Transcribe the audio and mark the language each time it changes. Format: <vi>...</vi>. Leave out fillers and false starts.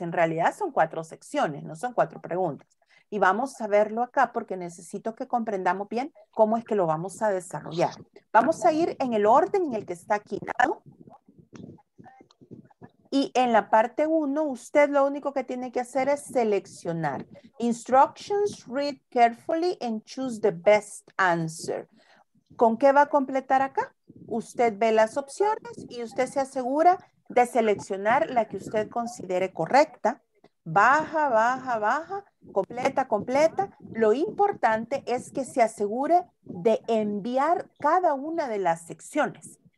<es>En realidad son 4 secciones, no son 4 preguntas. Y vamos a verlo acá porque necesito que comprendamos bien cómo es que lo vamos a desarrollar. Vamos a ir en el orden en el que está aquí, ¿no? Y en la parte 1, usted lo único que tiene que hacer es seleccionar.</es> <en>Instructions, read carefully and choose the best answer.</en> <es>¿Con qué va a completar acá? Usted ve las opciones y usted se asegura de seleccionar la que usted considere correcta. Baja, baja, baja, completa, completa. Lo importante es que se asegure de enviar cada una de las secciones.</es>